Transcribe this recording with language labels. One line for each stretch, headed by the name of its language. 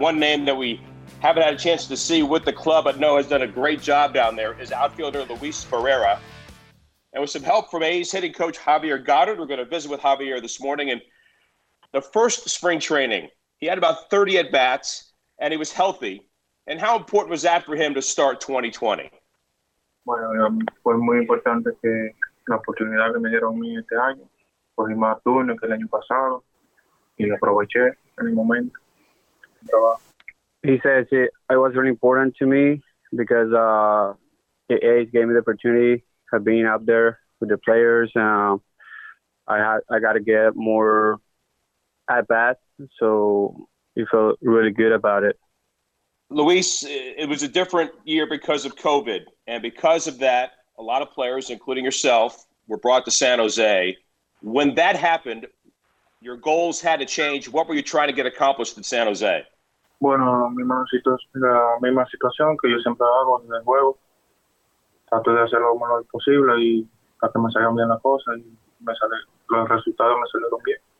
English: One name that we haven't had a chance to see with the club, but know has done a great job down there, is outfielder Luis Barrera. And with some help from A's hitting coach Javier Goddard, we're going to visit with Javier this morning. And the first spring training, he had about 30 at-bats, and he was healthy. And how important was that for him to start 2020?
Spanish: Bueno, fue muy importante que la oportunidad que me dieron a mí este año, cogí más turnos que el año pasado, y lo aproveché en el momento.
English: He says it was really important to me because the A's gave me the opportunity of being up there with the players. I got to get more at bats, so he felt really good about it. Luis, it was a different year because of COVID, and because of that, a lot of players, including yourself, were brought to San Jose. When that happened, your goals had to change. What were you trying to get accomplished in San Jose?
Spanish: Bueno, la misma situación que yo siempre hago en el juego. Trato de hacer lo mejor posible y para que me salgan bien las cosas y me sale, los resultados me salieron bien.